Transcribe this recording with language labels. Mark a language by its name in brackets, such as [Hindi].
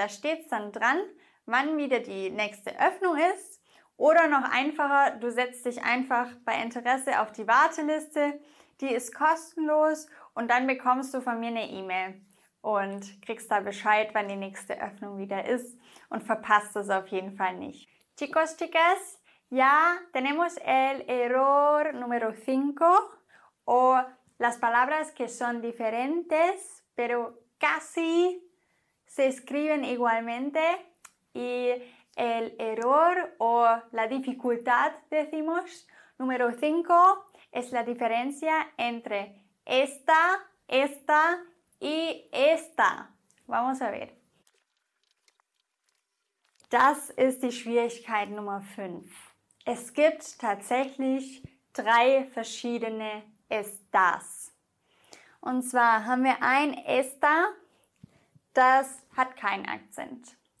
[German] Da steht es dann dran, wann wieder die nächste Öffnung ist. Oder noch einfacher, du setzt dich einfach bei Interesse auf die Warteliste. Die ist kostenlos und dann bekommst du von mir eine E-Mail und kriegst da Bescheid, wann die nächste Öffnung wieder ist und verpasst es auf jeden Fall nicht. [Spanish] Chicos, chicas. Ya tenemos el error número 5 o las palabras que son diferentes pero casi se escriben igualmente y el error o la dificultad decimos número 5 es la diferencia entre esta, esta y esta. Vamos a ver. [German] Das ist die Schwierigkeit Nummer 5. Es gibt tatsächlich drei verschiedene Estas. Und zwar haben wir ein Esta, das hat keinen Akzent.